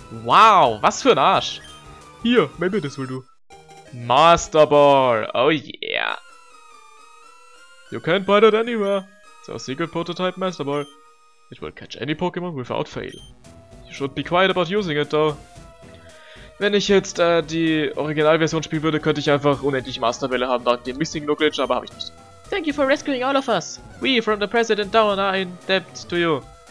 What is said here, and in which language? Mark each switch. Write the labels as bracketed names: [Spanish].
[German] Wow, was für ein Arsch. [English] Here, maybe this will do. Master Ball, oh yeah. You can't buy that anywhere. It's our secret prototype Master Ball. It will catch any Pokémon without fail. You should be quiet about using it though. [German] Wenn ich jetzt die Originalversion spielen würde, könnte ich einfach unendlich Masterbälle haben nach dem Missing Glitch, aber habe ich nicht. [English] Thank you for rescuing all of us! We, from the president down, are in debt to you.